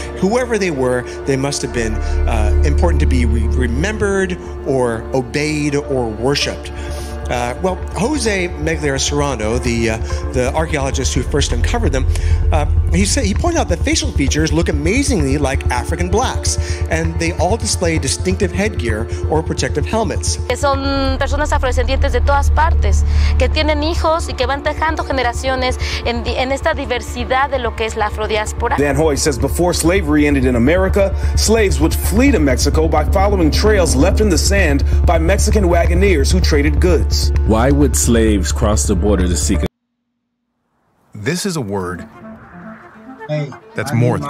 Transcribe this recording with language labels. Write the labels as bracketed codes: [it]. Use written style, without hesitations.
[en] Whoever they were, they must have been important to be remembered or obeyed or worshipped. Well, Jose Meglier Serrano, the archaeologist who first uncovered them, he pointed out that facial features look amazingly like African blacks, and they all display distinctive headgear or protective helmets. [es] Son personas afrodescendientes de todas partes que tienen hijos y que van dejando generaciones en esta diversidad de lo que es la afrodiáspora. [en] Van Hoy says before slavery ended in America, slaves would flee to Mexico by following trails left in the sand by Mexican wagoneers who traded goods. Why would slaves cross the border to seek a... This is a word. Hey, that's more than